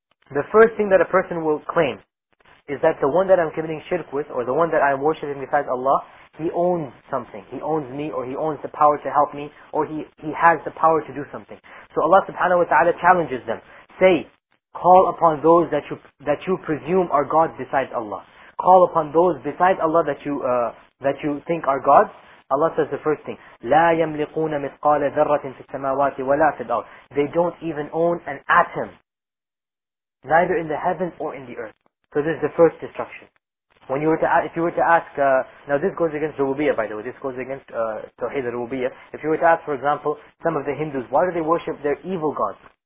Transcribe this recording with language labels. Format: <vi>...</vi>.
<en>The first thing that a person will claim is that the one that I'm committing shirk with, or the one that I'm worshipping besides Allah, he owns something. He owns me, or he owns the power to help me, or he has the power to do something. So Allah subhanahu wa ta'ala challenges them. Say, call upon those that you presume are gods besides Allah. Call upon those besides Allah that you think are gods. Allah says the first thing,</en> <ar>لَا يَمْلِقُونَ مِثْقَالَ ذَرَّةٍ فِي السَّمَاوَاتِ وَلَا فِي الْأَرْضِ.</ar> <en>They don't even own an atom, neither in the heavens or in the earth. So this is the first destruction. If you were to ask, now this goes against Rububiyyah, by the way, this goes against Tawheed al-Rububiyyah. If you were to ask, for example, some of the Hindus, why do they worship their evil gods?</en>